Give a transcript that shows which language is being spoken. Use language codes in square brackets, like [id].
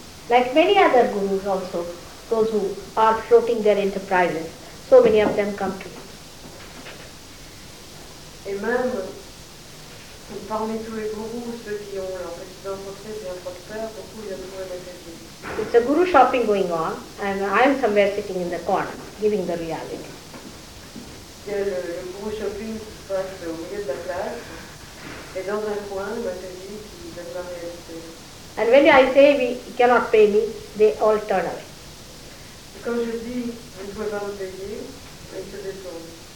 [en] Like many other gurus also, those who are floating their enterprises, so many of them come to you. [fr] Et même parmi tous les gurus, ceux qui ont leur petite entreprise bien prospère, beaucoup y a toujours des ateliers. [en] It's a guru shopping going on, and I'm somewhere sitting in the corner, giving the reality. [fr] Le guru shopping se passe au milieu de la place, et dans un coin, l'atelier qui donne la réalité. [en] And when I say we cannot pay me, they all turn away. [fr] Et quand je dis vous ne pouvez pas me payer, ils se détournent.